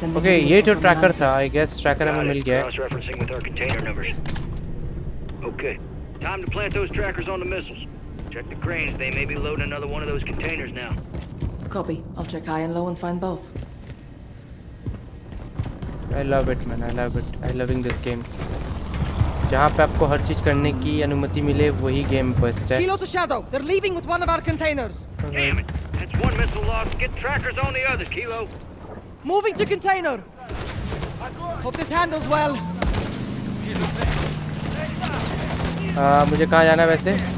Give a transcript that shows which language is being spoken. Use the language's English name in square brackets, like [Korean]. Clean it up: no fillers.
[English] them. Okay, [Hindi] ये जो tracker था [English] I guess [Hindi] ट्रैकर हमें मिल गया. [English] Cross-referencing with our container numbers. Okay, time to plant those trackers on the missiles. Check the cranes, they may be loading another one of those containers now. Copy, I'll check high and low and find both. I love it man, I love it. I'm loving this game. [Hindi] जहाँ पे आपको हर चीज करने की अनुमति मिले वही game best है. [English] Kilo to Shadow, they're leaving with one of our containers. Damn it, that's one missile lost. Get trackers on the others, Kilo. Moving to container. Hope this handles well. [Hindi] मुझे कहाँ जाना है वैसे?